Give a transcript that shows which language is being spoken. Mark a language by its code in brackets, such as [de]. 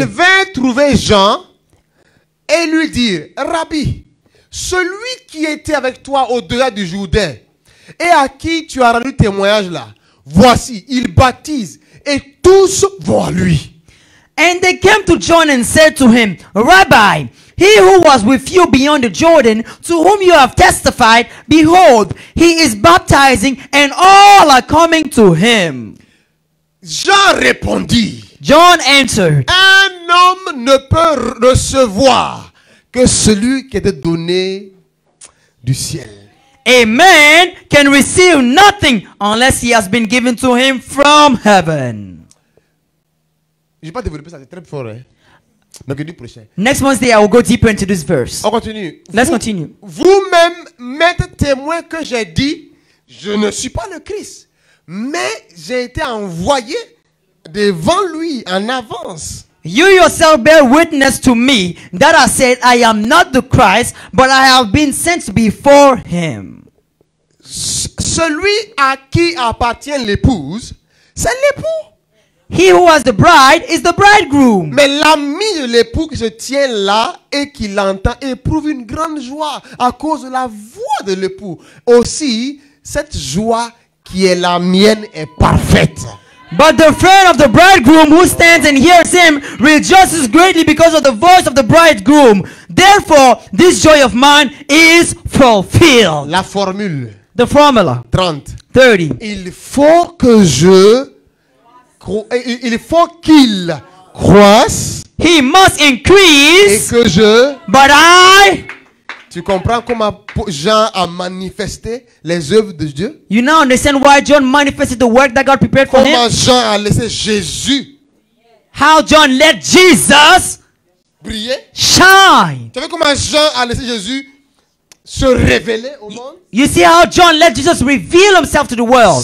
[fr] Il vint trouver Jean et lui dire, Rabbi, celui qui était avec toi au-delà du Jourdain et à qui tu as rendu témoignage là, voici, il baptise et tous vont à lui. [en] And they came to John and said to him, Rabbi, he who was with you beyond the Jordan, to whom you have testified, behold, he is baptizing and all are coming to him. [fr] Jean répondit. [en] John answered. [fr] Un homme ne peut recevoir que celui qui est donné du ciel. [en] A man can receive nothing unless he has been given to him from heaven. [fr] Je n'ai pas développé ça, c'est très fort. Hein? Donc, le prochain. [en] Next Wednesday, I will go deeper into this verse. [fr] On continue. [en] Let's continue. [fr] Vous-même m'êtes témoin que j'ai dit, je ne suis pas le Christ, mais j'ai été envoyé devant lui en avance. [en] You yourself bear witness to me that I said I am not the Christ, but I have been sent before him. [fr] Celui à qui appartient l'épouse, c'est l'époux. [en] He who has the bride is the bridegroom. [fr] Mais l'ami de l'époux qui se tient là et qui l'entend éprouve une grande joie à cause de la voix de l'époux. Aussi, cette joie qui est la mienne est parfaite. [en] But the friend of the bridegroom who stands and hears him rejoices greatly because of the voice of the bridegroom. Therefore, this joy of mine is fulfilled. [fr] La formule. [en] The formula. 30. 30. [fr] Il faut que je... Il faut qu'il croisse. [en] He must increase. [fr] Et que je. [en] But I. [fr] Tu comprends comment Jean a manifesté les œuvres de Dieu? [en] You now understand why John manifested the work that God prepared for [fr] comment [en] him. [fr] Comment Jean a laissé Jésus? [en] How John let Jesus [fr] briller? [en] Shine. [fr] Tu vois comment Jean a laissé Jésus se révéler au monde? [en] You see how John let Jesus reveal himself to the world.